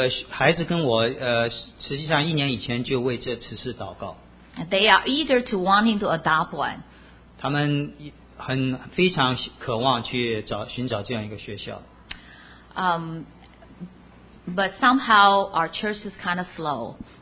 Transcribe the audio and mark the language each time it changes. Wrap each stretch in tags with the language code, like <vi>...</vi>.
<zh>孩子跟我实际上一年以前就为这此事祷告。</zh> <en>They are eager to wanting to adopt one.</en> <zh>他们非常渴望去寻找这样一个学校。</zh> <en>But somehow our church is kind of slow.</en>